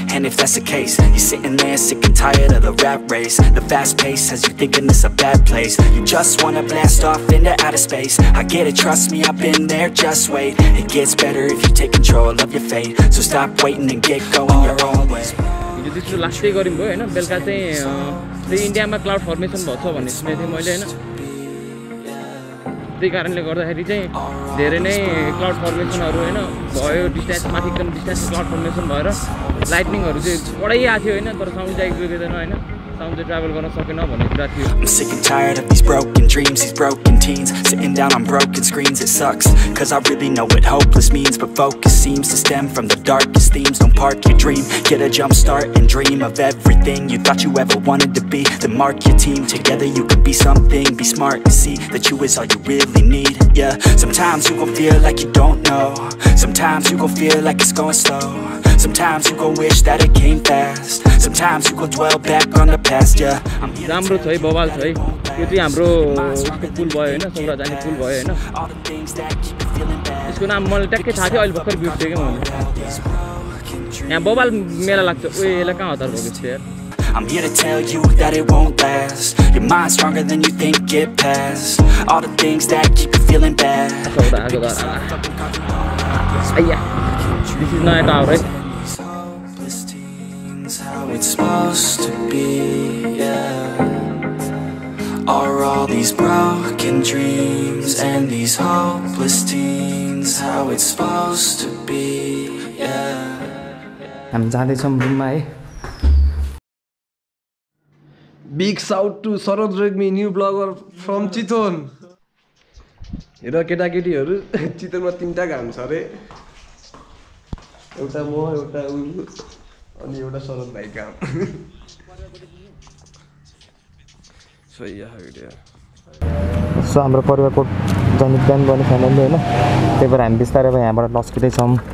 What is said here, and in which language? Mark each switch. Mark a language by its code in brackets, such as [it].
[en] And if that's the case, you're sitting there sick and tired of the rat race. The fast pace has you thinking it's a bad place. You just wanna blast off into outer space. I get it, trust me, I've been there, just wait. It gets better if you take control of your fate. So stop waiting and get going your own way. [ne] त्यही कारणले गर्दाखेरि चाहिँ धेरै नै cloud फर्मेसनहरू होइन भयो, डिस्ट्यास माथि एकदम डिस्ट्यास क्लाउड फर्मेसन भएर लाइटनिङहरू चाहिँ बढै आएको थियो होइन, तर साउन्ड चाहिँ आइपुगेन होइन, ट्राभल गर्न सकेन भन्ने कुरा थियो। [en] I'm sick and tired of these broken dreams, these broken teens, sitting down on broken screens. It sucks, cause I really know what hopeless means, but focus seems to stem from the darkest themes. Don't park your dream, get a jump start and dream of everything you thought you ever wanted to be. Then mark your team, together you can be something. Be smart and see that you is all you really need. Yeah, sometimes you gon' feel like you don't know, sometimes you gon' feel like it's going slow, sometimes you gon' wish that it came fast, sometimes you gon' dwell back on the past, yeah. [ne] राम्रो छ है, बवाल छ है, यो चाहिँ हाम्रो पुल भयो होइन, सौरा जाने पुल भयो होइन। यसको नाम मलाई ट्याक्कै थाहा थियो, अहिले भर्खर बिर्सेँ क्या मैले। यहाँ बवाल मेला लाग्छ, ओए यसलाई कहाँ हतार भएको थियो यार। [en] I'm here to tell you that it won't last, your mind's stronger than you think, get past all the things that keep you feeling bad. This is not out, right? This is how it's supposed to be, yeah. Are all these broken dreams and these hopeless teens how it's supposed to be, yeah. I'm going to go to the room. Big shout to Sharad Regmi, new blogger from Chitwan. [ne] र केटाकेटीहरू, चितवनमा 3 घाम छ अरे, एउटा म, एउटा ऊ, अनि एउटा शरद भाइ घाम। सो हाम्रो परिवारको जन्म बिहान गर्ने फ्यामिली होइन, त्यही भएर हामी बिस्तारै यहाँबाट लस्किँदैछौँ।